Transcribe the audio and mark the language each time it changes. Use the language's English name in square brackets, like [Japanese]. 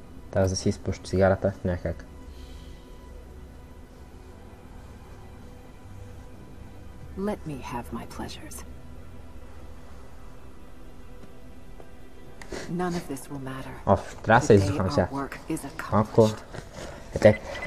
[Bulgarian] Трябва да си изпуш цигарата някак. [English] Let me have my pleasures. None of this will matter. [Bulgarian] Оф, трябва да се издухам сега. Малко. Ете.